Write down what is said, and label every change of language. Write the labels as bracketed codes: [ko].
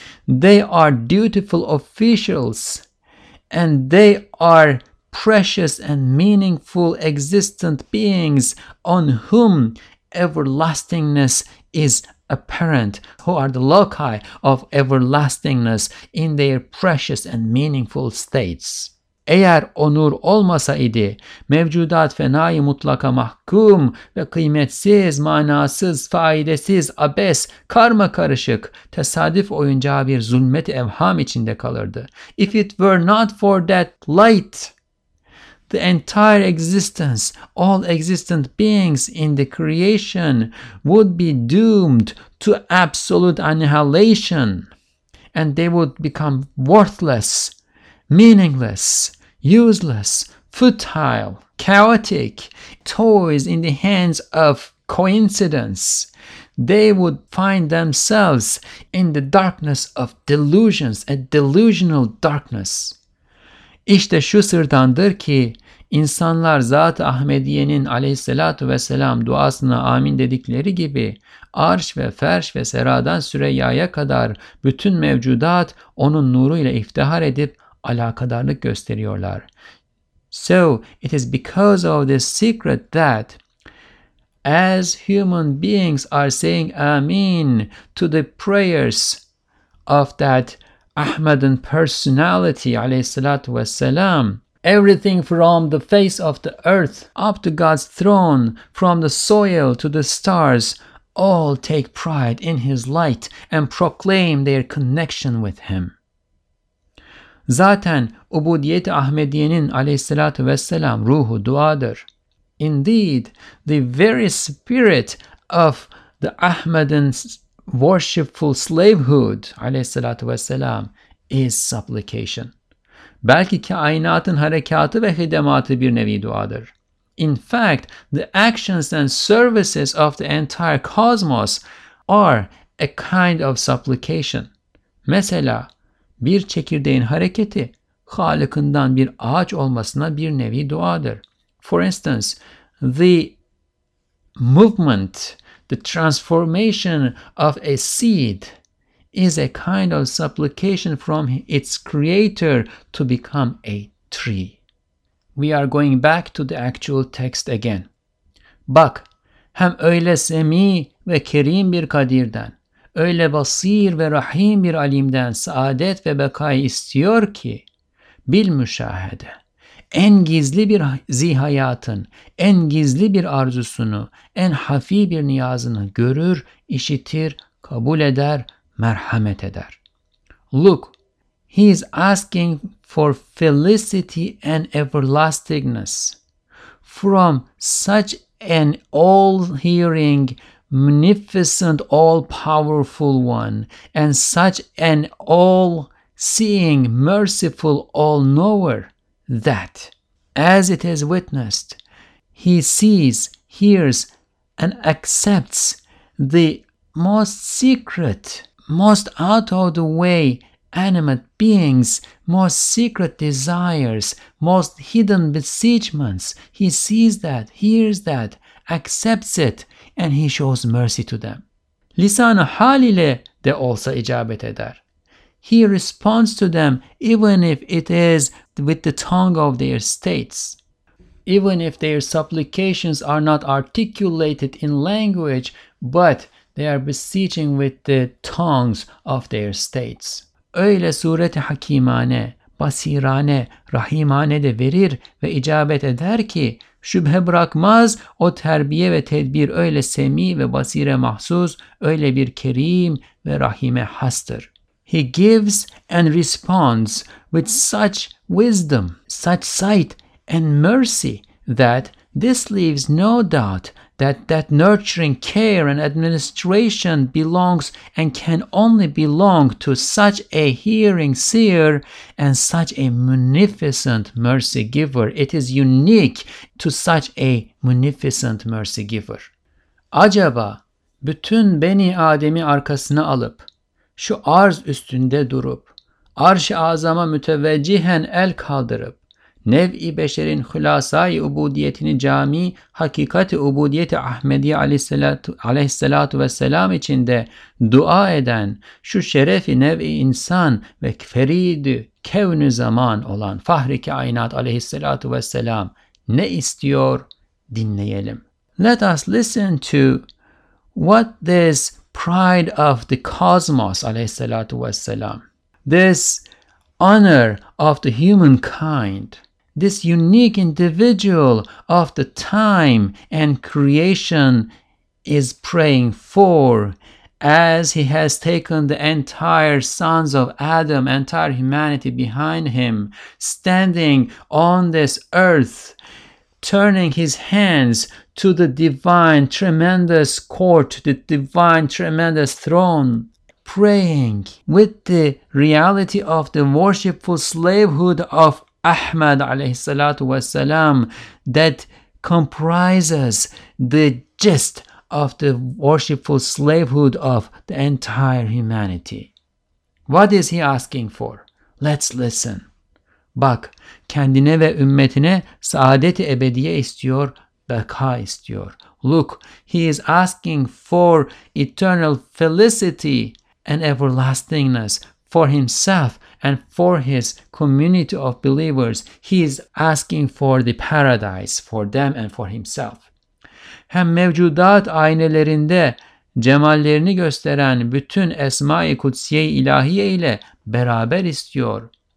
[en] They are dutiful officials and they are precious and meaningful existent beings on whom everlastingness is apparent, who are the loci of everlastingness in their precious and meaningful states. [tr] Eğer o nur olmasa idi, mevcudat fenai mutlaka mahkum ve kıymetsiz, manasız, faidesiz, abes, karma karışık, tesadüf oyuncağı bir zulmet-i evham içinde kalırdı. [en] If it were not for that light, the entire existence, all existent beings in the creation would be doomed to absolute annihilation and they would become worthless, meaningless, useless, futile, chaotic, toys in the hands of coincidence. They would find themselves in the darkness of delusions, a delusional darkness. [tr] İşte şu sırdandır ki İnsanlar Zat-ı Ahmediye'nin aleyhissalatu vesselam duasına amin dedikleri gibi arş ve ferş ve seradan Süreyya'ya kadar bütün mevcudat onun nuruyla iftihar edip alakadarlık gösteriyorlar. [en] So it is because of this secret that as human beings are saying amin to the prayers of that Ahmadan personality aleyhissalatu vesselam, everything from the face of the earth up to God's throne, from the soil to the stars, all take pride in his light and proclaim their connection with him. [tr] Zaten ubudiyet-i Ahmediye'nin aleyhissalatu vesselam ruhu duadır. [en] Indeed, the very spirit of the Ahmadan worshipful slavehood aleyhissalatu vesselam is supplication. [tr] Belki kainatın harekatı ve hidematı bir nevi duadır. [en] In fact, the actions and services of the entire cosmos are a kind of supplication. [tr] Mesela bir çekirdeğin hareketi Halık'ından bir ağaç olmasına bir nevi duadır. [en] For instance, the movement, the transformation of a seed is a kind of supplication from its creator to become a tree. We are going back to the actual text again. [tr] Bak, hem öyle semi ve kerim bir kadirden, öyle basir ve rahim bir alimden saadet ve bekayı istiyor ki, bil müşahede, en gizli bir zihayatın, en gizli bir arzusunu, en hafi bir niyazını görür, işitir, kabul eder, merhamet eder. [en] Look, he is asking for felicity and everlastingness from such an all-hearing, munificent, all-powerful one and such an all-seeing, merciful all-knower that, as it is witnessed, he sees, hears, and accepts the most secret, most out of the way animate beings, most secret desires, most hidden beseechments. He sees that, hears that, accepts it, and he shows mercy to them. [tr] Lisan-ı hal ile de olsa icabet eder. [en] He responds to them even if it is with the tongue of their states. Even if their supplications are not articulated in language, but they are beseeching with the tongues of their states. [tr] Öyle sureti hakimane, basirane, rahimane de verir ve icabet eder ki, şüphe bırakmaz o terbiye ve tedbir öyle semi ve basire mahsus, öyle bir kerim ve rahime hastır. [en] He gives and responds with such wisdom, such sight and mercy that this leaves no doubt that nurturing care and administration belongs and can only belong to such a hearing seer and such a munificent mercy giver. It is unique to such a munificent mercy giver. [tr] Acaba bütün Beni Adem'i arkasına alıp, şu arz üstünde durup, arş-ı azama müteveccihen el kaldırıp, nev-i beşerin hülasa-i ubudiyetini cami, hakikati ubudiyeti Ahmediye aleyhissalatu vesselam içinde dua eden şu şerefi nev-i insan ve feridi kevn-i zaman olan fahri kainat aleyhissalatu vesselam ne istiyor, dinleyelim. [en] Let us listen to what this pride of the cosmos aleyhissalatu vesselam, this honor of the humankind, this unique individual of the time and creation is praying for, as he has taken the entire sons of Adam, entire humanity behind him, standing on this earth, turning his hands to the divine tremendous court, the divine tremendous throne, praying with the reality of the worshipful slavehood of Ahmad alayhi salatu wasalam, that comprises the gist of the worshipful slavehood of the entire humanity. What is he asking for? Let's listen. [tr] Bak, kendine ve ümmetine saadet-i ebediye istiyor, beka istiyor. [en] Look, he is asking for eternal felicity and everlastingness for himself and for his community of believers. He is asking for the paradise for them and for himself. [tr] Hem mevcudat aynelerinde cemallerini gösteren bütün esma-i kutsiye-i ilahiye ile beraber istiyor.